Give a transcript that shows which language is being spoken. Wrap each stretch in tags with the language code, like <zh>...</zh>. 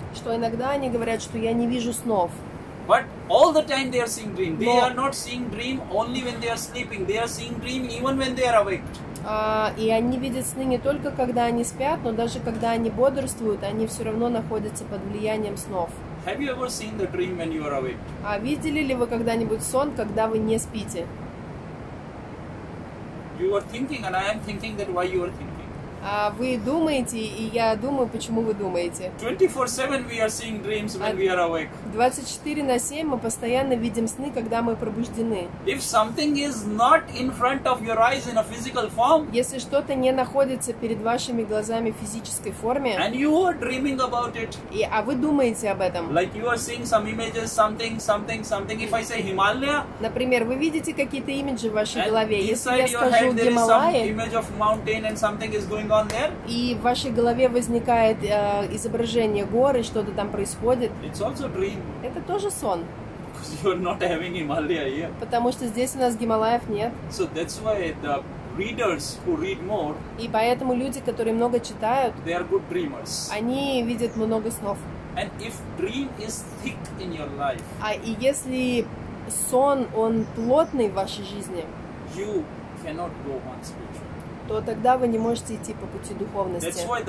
<ru>Что иногда они говорят, что я не вижу снов.</ru> <en>But all the time they are seeing dream. They are not seeing dream only when they are sleeping. They are seeing dream even when they are awake.</en> <ru>И они видят сны не только когда они спят, но даже когда они бодрствуют, они все равно находятся под влиянием снов.</ru> <en>Have you ever seen the dream when you are awake?</en> <ru>Видели ли вы когда-нибудь сон, когда вы не спите?</ru> <en>You are thinking and I am thinking that why you are thinking.</en> <ru>Вы думаете, и я думаю, почему вы думаете.</ru> <en>24/7 we are seeing dreams when we are awake.</en> <ru>24/7 мы постоянно видим сны, когда мы пробуждены.</ru> <en>If something is not in front of your eyes in a physical form,</en> <ru>если что-то не находится перед вашими глазами в физической форме,</ru> <en>and you are dreaming about it,</en> <ru>а вы думаете об этом.</ru> <en>Like you are seeing some images, something. If I say Himalaya,</en> <ru>например, вы видите какие-то имиджи в вашей голове. Если я скажу Гималаи,</ru> <en>image of mountain and something is going on there,</en> <ru>и в вашей голове возникает изображение горы, что-то там происходит.</ru> <en>It's also a dream.</en> <ru>Это тоже сон.</ru> <en>Because you're not having Himalaya here.</en> <ru>Потому что здесь у нас Гималаев нет.</ru> <en>So that's why the readers who read more,</en> <ru>и поэтому люди, которые много читают,</ru> <en>they are good dreamers.</en> <ru>Они видят много снов.</ru> <en>And if dream is thick in your life,</en> <ru>и если сон, он плотный в вашей жизни,</ru> <en>you cannot go on spiritual,</en> <ru>то тогда вы не можете идти по пути духовности.</ru>